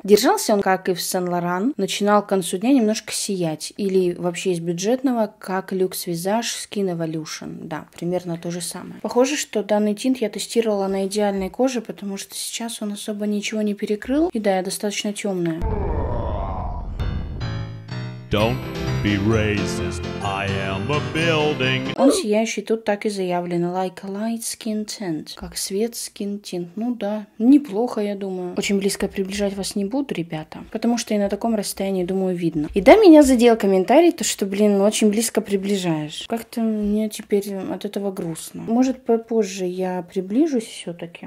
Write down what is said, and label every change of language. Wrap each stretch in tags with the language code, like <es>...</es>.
<ru>Держался он, как и в Сен-Лоран. Начинал к концу дня немножко сиять. Или вообще из бюджетного, как Люкс Визаж Skin Evolution. Да, примерно то же самое. Похоже, что данный тинт я тестировала на идеальной коже, потому что сейчас он особо ничего не перекрыл. И да, я достаточно темная.</ru> <en>Don't be racist, I am a building.</en> <ru>Он сияющий, тут так и заявлено.</ru> <en>Like a light skin tint.</en> <ru>Как свет skin tint. Ну да, неплохо, я думаю. Очень близко приближать вас не буду, ребята. Потому что и на таком расстоянии, думаю, видно. И да, меня задел комментарий, то что, блин, очень близко приближаешь. Как-то мне теперь от этого грустно. Может, попозже я приближусь все-таки.</ru>